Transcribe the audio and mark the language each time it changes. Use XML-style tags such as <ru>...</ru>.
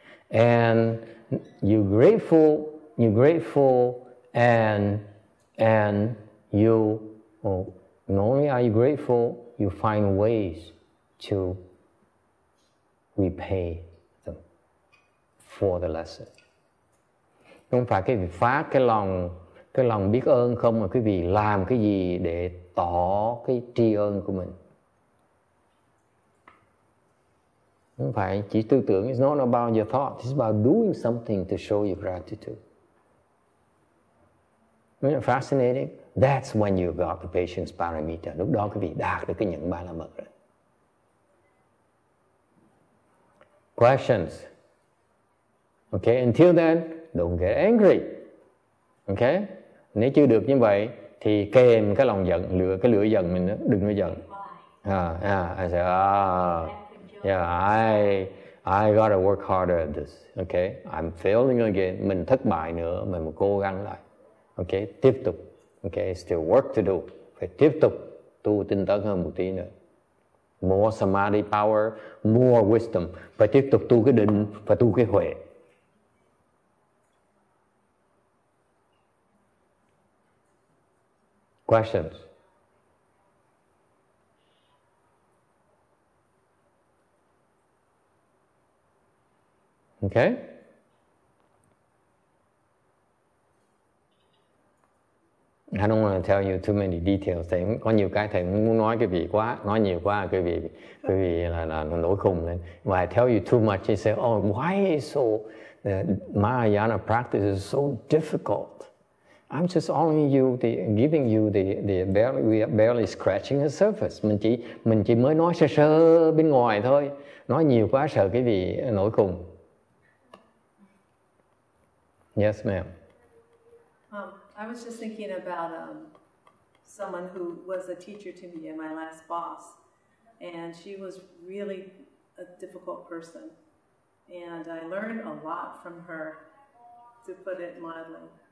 <en>And you're grateful and you not only are you grateful, you find ways to repay for the lesson.</en> <vi>Không phải cái phát cái lòng biết ơn không, mà quý vị làm cái gì để tỏ cái tri ân của mình. Không phải chỉ tư tưởng,</vi> <en>it's not about your thought, it's about doing something to show your gratitude. Isn't it fascinating? That's when you got the patience parameter.</en> <vi>Lúc đó quý vị đạt được cái nhẫn ba la mật rồi.</vi> <en>Questions? Okay, until then, don't get angry. Okay?</en> <vi>Nếu chưa được như vậy, thì kèm cái lòng giận, cái lửa giận mình đó, đừng có giận.</vi> <en>I say, I gotta work harder at this. Okay? I'm failing again.</en> <vi>Mình thất bại nữa, mình mà cố gắng lại.</vi> <en>Okay?</en> <vi>Tiếp tục.</vi> <en>Okay? Still work to do.</en> <vi>Phải tiếp tục tu tinh tấn hơn một tí nữa.</vi> <en>More samadhi power, more wisdom.</en> <vi>Phải tiếp tục tu cái định, phải tu cái huệ.</vi> <en>Questions? Okay? I don't want to tell you too many details.</en> <vi>Thầy có nhiều cái thầy muốn nói cái vị quá, nói nhiều quá cái vị là nổi khùng lên.</vi> <en>When I tell you too much, you say, oh, why is so, the Mahayana practice is so difficult? I'm just only you the giving you the barely, we are barely scratching the surface.</en> <vi>Mình chỉ mới nói sơ sơ bên ngoài thôi. Nói nhiều quá sợ cái vị nổi khùng.</vi> <en>Yes, ma'am. I was just thinking about someone who was a teacher to me and my last boss, and she was really a difficult person, and I learned a lot from her, to put it mildly.</en>